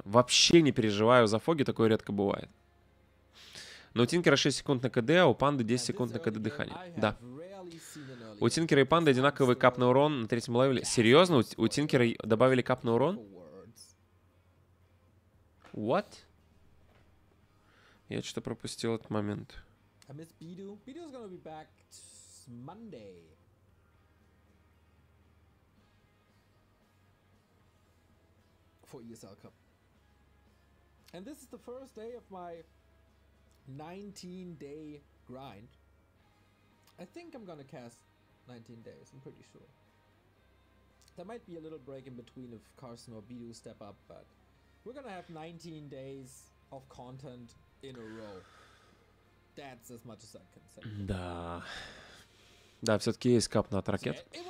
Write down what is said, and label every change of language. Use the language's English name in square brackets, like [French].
[Russian] Вообще не переживаю за Фогги, такое редко бывает. Но у Тинкера 6 секунд на КД, а у Панды 10 секунд на КД дыхания. Да. У Тинкера и Панды одинаковый кап на урон на третьем левеле. Серьезно? У Тинкера добавили кап на урон? [English] What? [Russian] Я что-то пропустил этот момент. [English] I miss Bidu. Bidu's gonna be back Monday. For ESL Cup. And this is the first day of my 19-day grind. I think I'm gonna cast 19 days, I'm pretty sure. There might be a little break in between if Carson or Bidu step up, but We're gonna have 19 days of content in a row. That's as much as I can say. [Russian] Да. Да, все-таки есть кап на ракет.